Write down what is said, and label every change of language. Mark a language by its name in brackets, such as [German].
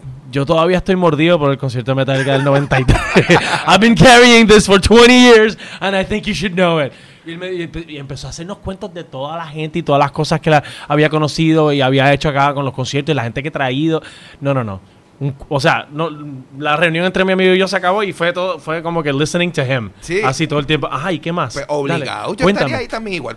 [Spanish] Yo todavía estoy mordido por el concierto de Metallica del 93. [English] I've been carrying this for 20 years and I think you should know it. [Spanish] Y empezó a hacernos cuentos de toda la gente y todas las cosas que había conocido y había hecho acá con los conciertos y la gente que traído. No. La reunión entre mi amigo y yo se acabó y fue como que [English] listening to him. [Spanish] Sí. Así todo el tiempo. Ajá, ¿y qué más? Pues obligado. Dale, yo cuéntame. Estaría ahí también igual.